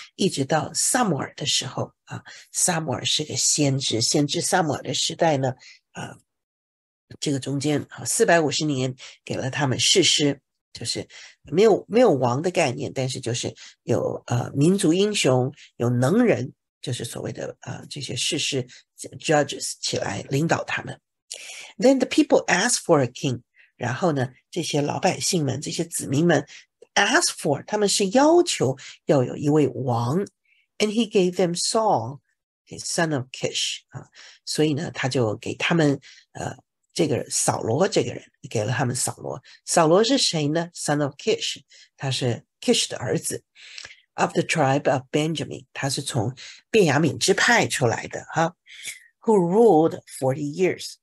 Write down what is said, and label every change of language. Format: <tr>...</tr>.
<zh>一直到撒母耳的时候撒母耳是个先知，先知撒母耳的时代呢这个中间450年给了他们士师，就是没有王的概念，但是就是有民族英雄，有能人。就是所谓的这些士师 judges 起来领导他们。</zh> <en>Then the people asked for a king.</en> <zh>然后呢，这些老百姓们，这些子民们</zh> <en>ask for，</en> <zh>他们是要求要有一位王。</zh> <en>And he gave them Saul, his son of Kish.</en> <zh>所以呢，他就给他们这个扫罗这个人，给了他们扫罗。扫罗是谁呢 ？</zh> <en>Son of Kish，</en> <zh>他是 Kish 的儿子。</zh> <en>Of the tribe of Benjamin,</en> <zh>他是从便雅悯支派出来的哈</zh> <en>，who ruled 40 years.</en>